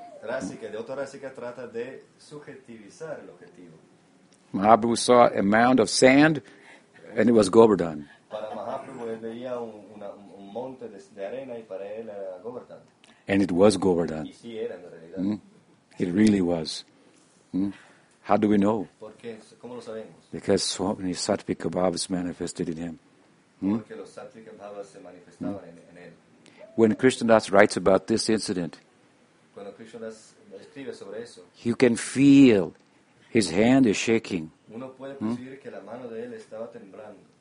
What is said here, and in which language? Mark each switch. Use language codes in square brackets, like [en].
[es] Rásica, de otra rásica trata de subjetivizar el objetivo. [en] Mahaprabhu saw a mound of sand, and it was Govardhan. [es] Para Mahaprabhu él veía un monte de arena y para él era Govardhan. [en] And it was Govardhan. [es] Y sí era en realidad. Mm? [en] It really was. Mm? How do we know? [es] Porque, ¿cómo lo sabemos? [en] Because so many sattvika bhavas manifested in him. [es] Porque los sattvika bhavas se manifestaban en él. [en] When Krishnadas writes about this incident, [es] cuando Krishnadas escribe sobre eso, [en] you can feel his hand is shaking. [es] Uno puede percibir que la mano de él estaba temblando.